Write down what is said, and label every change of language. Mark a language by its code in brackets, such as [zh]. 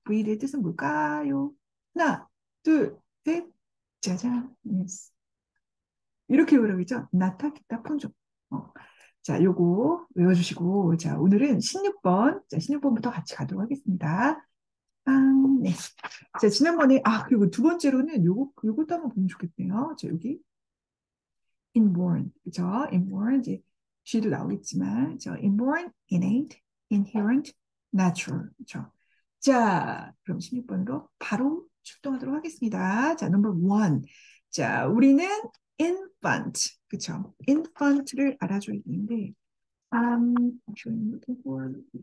[ko] Breed의 뜻은 뭘까요? 하나, 둘, 셋, 짜잔, 예스. 이렇게 외우라고 했죠? 나타, 기타, 풍조. 자, 요거 외워주시고, 자, 오늘은 16번, 자, 16번부터 같이 가도록 하겠습니다. 빵, 네. 자, 지난번에, 아, 그리고 두 번째로는 요것도 한번 보면 좋겠네요. 자, 여기. inborn, 그죠? inborn, 이제, G도 나오겠지만, 저, inborn, innate, inherent, natural, 그죠? 자, 그럼 16번으로 바로 출동하도록 하겠습니다. 자, 넘버 원. 자, 우리는 infant, 그쵸? infant를 알아줘야 되는데, [en] I'm showing the word.